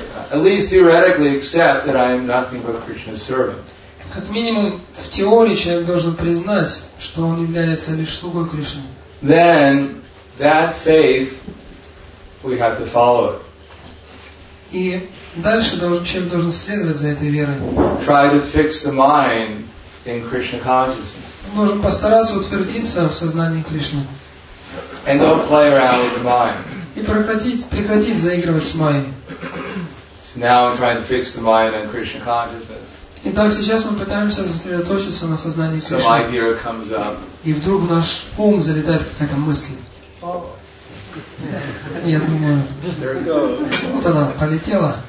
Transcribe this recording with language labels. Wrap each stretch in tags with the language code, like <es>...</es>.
<en>At least theoretically accept that I am nothing but Krishna's servant.</en> <ru>Как минимум, в теории человек должен признать, что он является лишь слугой Кришны.</ru> <en>Then that faith we have to follow it.</en> <ru>И дальше человек должен следовать за этой верой.</ru> <en>Try to fix the mind in Krishna consciousness.</en> <ru>Должен постараться утвердиться в сознании Кришны.</ru> <en>And don't play around with the mind.</en> <ru>И прекратить заигрывать с майей.</ru> <en>So now I'm trying to fix the mind in Krishna consciousness.</en> <ru>Итак, сейчас мы пытаемся сосредоточиться на сознании Кришны.</ru> <en>Some idea comes up.</en> <ru>И вдруг в наш ум залетает какая-то мысль. Я думаю, вот она полетела.</ru>